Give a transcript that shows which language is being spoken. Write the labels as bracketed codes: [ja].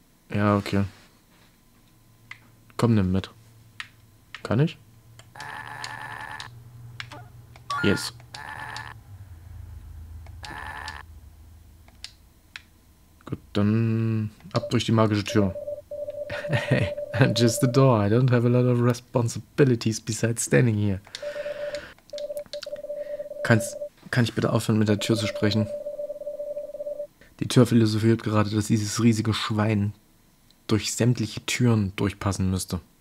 [de] Ja, okay. Komm, nimm mit. Kann ich? [en] Yes. [de] Gut, dann ab durch die magische Tür. [en] Hey, I'm just the door. I don't have a lot of responsibilities besides standing here. [de] Kann ich bitte aufhören, mit der Tür zu sprechen? Die Tür philosophiert gerade, dass dieses riesige Schwein durch sämtliche Türen durchpassen müsste.